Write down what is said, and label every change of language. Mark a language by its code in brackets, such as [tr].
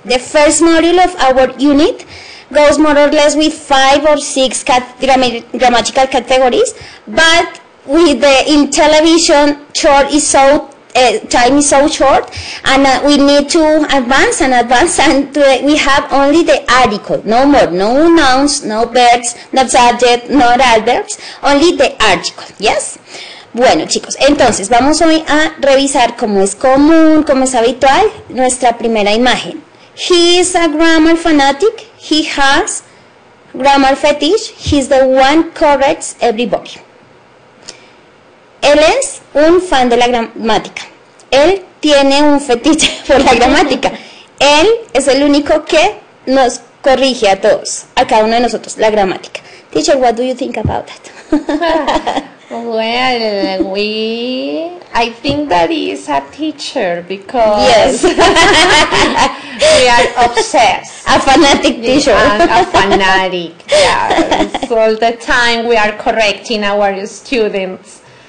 [en] The first module of our unit goes more or less with 5 or 6 grammatical categories, but with the in television short is so time is so short, and we need to advance, and today we have only the article, no more, no nouns, no verbs, no subject, no adverbs, only the article, yes? [es] Bueno, chicos, entonces vamos hoy a revisar cómo es común, cómo es habitual, nuestra primera imagen. [en] He is a grammar fanatic, he has grammar fetish, he's the one corrects everybody. [es] Él es un fan de la gramática. Él tiene un fetiche por la gramática. Él es el único que nos corrige a todos, a cada uno de nosotros, la gramática. [en] Teacher, what do you think about that? Well, I think that is a teacher because We are obsessed. A fanatic teacher. Yeah, a fanatic. Yes. All the time we are correcting our students.